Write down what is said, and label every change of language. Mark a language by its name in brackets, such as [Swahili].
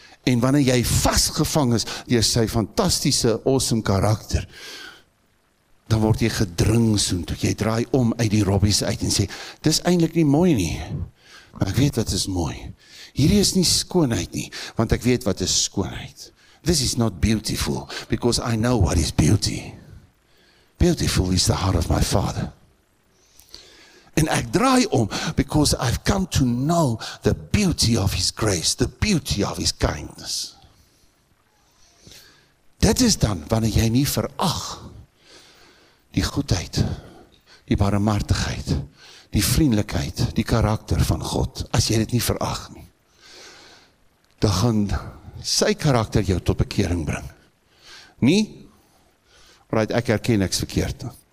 [Afrikaans] En wanneer jy vasgevang is deur sy fantastiese, awesome karakter, dan word jy gedring soontoe. Jy draai om uit die robbies uit en sê, dis eintlik nie mooi nie, maar ek weet wat is mooi. Hierdie is nie skoonheid nie, want ek weet wat is skoonheid. [English] This is not beautiful, because I know what is beauty. Beautiful is the heart of my father. [Afrikaans] En ek draai om, [English] because I've come to know the beauty of his grace, the beauty of his kindness. [Afrikaans] Dit is dan, wanneer jy nie verag die goedheid, die barmhartigheid, die vriendelijkheid, die karakter van God, as jy dit nie verag nie, dan gaan sy karakter jou tot bekering bring. Nie, right, ek herken ek's verkeerd.